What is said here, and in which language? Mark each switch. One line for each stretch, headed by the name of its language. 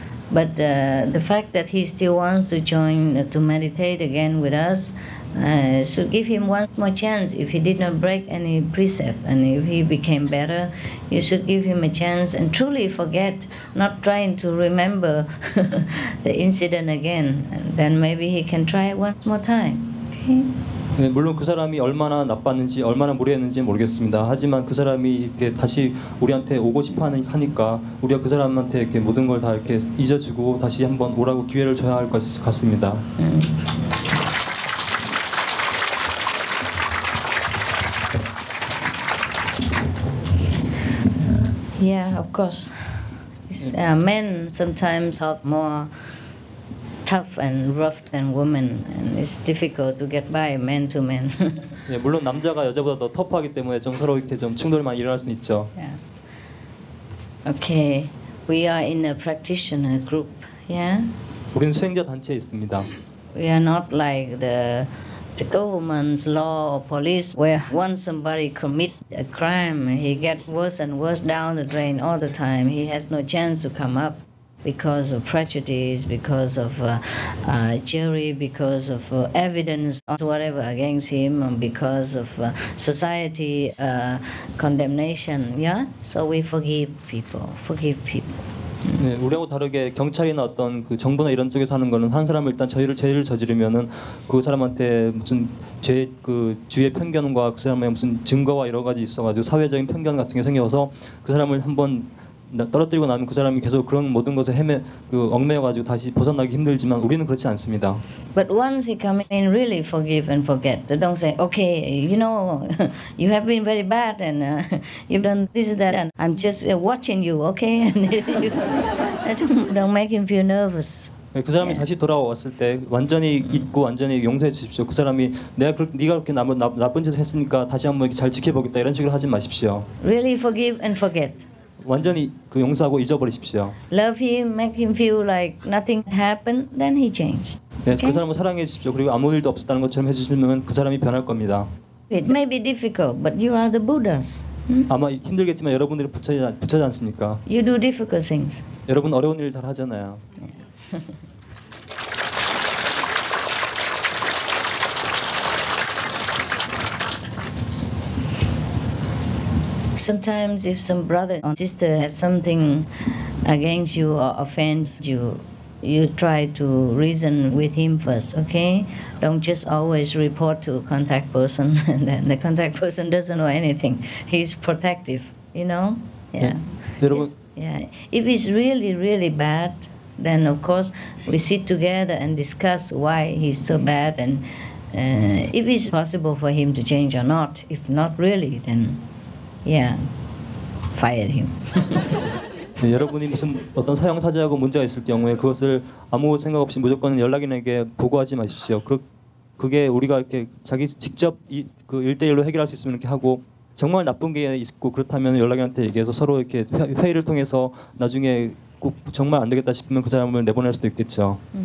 English: But the fact that he still wants to join, to meditate again with us, should give him one more chance. If he did not break any precept and if he became better, you should give him a chance and truly forget, not trying to remember the incident again. And then maybe he can try it one more time. Okay?
Korean: 네, 물론 그 사람이 얼마나 나빴는지 얼마나 무례했는지 모르겠습니다. 하지만 그 사람이 이렇게 다시 우리한테 오고 싶어 하니까 우리가 그 사람한테 이렇게 모든 걸 다 이렇게 잊어주고 다시 한번 오라고 기회를 줘야 할 것 같습니다.
English: Yeah, of course. Men sometimes are more tough and rough than women, and it's difficult to get by man to man.
Korean: 예, 물론 남자가 여자보다 더 터프하기 때문에 좀 서로 이렇게 좀 충돌이 많이 일어날 수 있죠.
English: Yeah. Okay, we are in a practitioner group. Yeah.
Korean: 우리는 수행자 단체에 있습니다.
English: We are not like the government's law or police, where once somebody commits a crime, he gets worse and worse down the drain all the time. He has no chance to come up. Because of prejudice, because of jury, because of evidence or whatever against him, and because of society condemnation, yeah? So we forgive people, forgive people.
Korean: 네, 우리하고 다르게 경찰이나 어떤 그 정부나 이런 쪽에서 하는 거는 한 사람을 일단 죄를 저지르면은 그 사람한테 무슨 죄 그 주의 편견과 그 사람의 무슨 증거와 여러 가지 있어가지고 사회적인 편견 같은 게 생겨서 그 사람을 한번 떨어뜨리고 나면 그 사람이 계속 그런 모든 것에 얽매여가지고 다시 벗어나기 힘들지만 우리는 그렇지 않습니다.
English: But once he comes in, really forgive and forget. Don't say, okay, you know, you have been very bad and you've done this and that, and I'm just watching you, okay? And don't make him feel nervous.
Korean: 그 사람이 다시 돌아왔을 때 완전히 잊고 완전히 용서해 주십시오. 그 사람이 내가 네가 그렇게 나쁜 짓을 했으니까 다시 한번 이렇게 잘 지켜보겠다 이런 식으로 하지 마십시오.
English: Really forgive and forget.
Korean: 완전히 그 용서하고 잊어버리십시오.
English: Love him, make him feel like nothing happened, then he changed. Okay?
Korean: 네, 그 사람을 사랑해 주십시오. 그리고 아무 일도 없었다는 것처럼 해주시면 그 사람이 변할 겁니다.
English: It may be difficult, but you are the Buddhas. Hmm?
Korean: 아마 힘들겠지만 여러분들이 부처지 않습니까?
English: You do difficult things.
Korean: 여러분 어려운 일 잘 하잖아요.
English: Sometimes if some brother or sister has something against you or offends you, you try to reason with him first, okay? Don't just always report to contact person and then the contact person doesn't know anything. He's protective, you know? Yeah. If it's really, really bad, then of course we sit together and discuss why he's so bad and if it's possible for him to change or not. If not really, then yeah, fire him.
Korean: 네, 여러분이 무슨 어떤 사형 사죄하고 문제가 있을 경우에 그것을 아무 생각 없이 무조건 연락인에게 보고하지 마십시오. 그게 우리가 이렇게 자기 직접 그 일대일로 해결할 수 있으면 이렇게 하고 정말 나쁜 게 있고 그렇다면 연락인한테 얘기해서 서로 이렇게 회의를 통해서 나중에 꼭 정말 안 되겠다 싶으면 그 사람을 내보낼 수도 있겠죠.